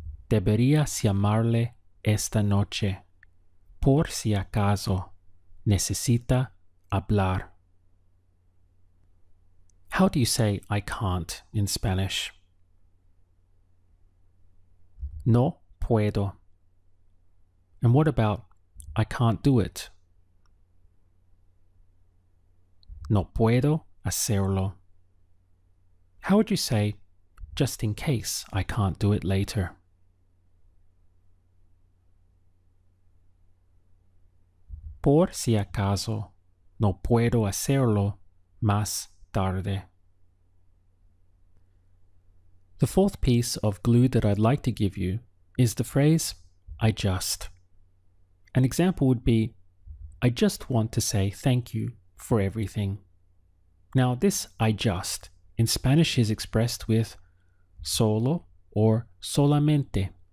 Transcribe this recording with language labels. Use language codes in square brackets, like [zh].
[es] Deberías llamarle esta noche, por si acaso necesita hablar. [en] How do you say I can't in Spanish? [es] No puedo. [en] And what about I can't do it? [es] No puedo hacerlo. [en] How would you say just in case I can't do it later? [es] Por si acaso, no puedo hacerlo más tarde. [en] The fourth piece of glue that I'd like to give you is the phrase, I just. An example would be, I just want to say thank you for everything. Now this I just in Spanish is expressed with solo or solamente.